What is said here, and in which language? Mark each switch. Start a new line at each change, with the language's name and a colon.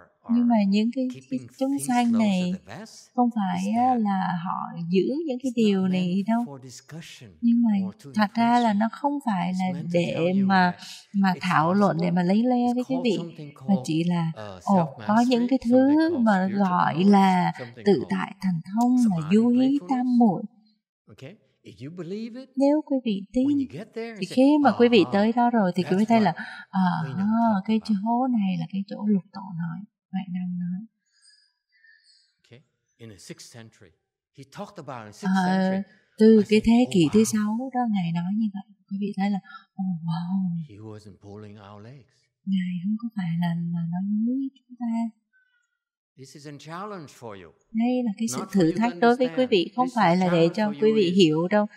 Vietnamese: nhưng mà những cái chúng sanh này không phải là họ giữ những cái điều này đâu, nhưng mà thật ra là nó không phải là để mà thảo luận, để mà lấy le với quý vị, mà chỉ là có những cái thứ mà gọi là tự tại thần thông, là du hí tam muội.
English: If you believe it,
Vietnamese: nếu quý vị tin
English: there,
Vietnamese: thì khi mà quý vị tới đó rồi thì quý vị thấy là cái chỗ này là cái chỗ lục tổ nói, vậy đang nói.
English: Okay. In the 6th century, he talked about in 6th century.
Vietnamese: Từ cái thế kỷ thứ 6 đó ngài nói như vậy. Quý vị thấy là wow.
English: He wasn't pulling our legs.
Vietnamese: Ngài không có phải là nói với chúng ta.
English: This is a challenge for you.
Vietnamese: Đây là cái sự thử thách đối với quý vị, không phải là để cho quý vị hiểu đâu.